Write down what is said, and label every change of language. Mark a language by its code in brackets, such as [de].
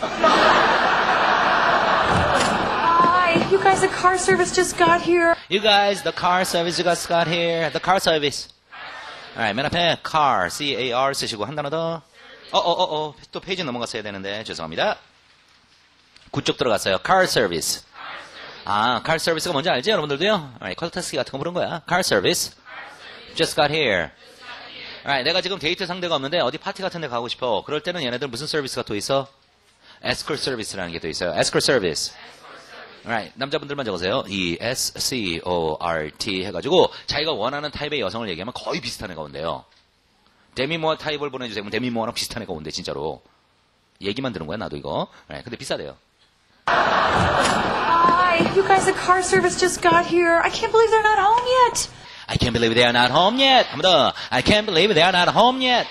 [en] Hi, you guys, the car service just got here. You guys, the car service just got here. The car service. Alright, [ko] 맨 앞에 [en] car, C-A-R [ko] 쓰시고 한 단어 더. 또 페이지 넘어갔어야 되는데 죄송합니다. 구쪽 들어갔어요. Car service. 아, car service가 뭔지 알지 여러분들도요? [en] Alright, [ko] 콜타스키 같은 거 부른 거야. [en] Car service. Just got here. [ko] Alright, 내가 지금 데이트 상대가 없는데 어디 파티 같은 데 가고 싶어. 그럴 때는 얘네들 무슨 서비스가 또 있어? Escort service라는 게 또 있어요. Escort service. Alright, 남자분들만 적으세요. E-S-C-O-R-T 해가지고 자기가 원하는 타입의 여성을 얘기하면 거의 비슷한 애가 온대요. 데미모어 타입을 보내주세요. 데미모어랑 비슷한 애가 온대, 진짜로. 얘기만 들은 거야, 나도 이거. Alright, 근데 비싸대요. [en] Hi, you guys, the car service just got here. I can't believe they're not home yet. I can't believe they are not home yet. [ko] 한 번 더. [en] I can't believe they are not home yet.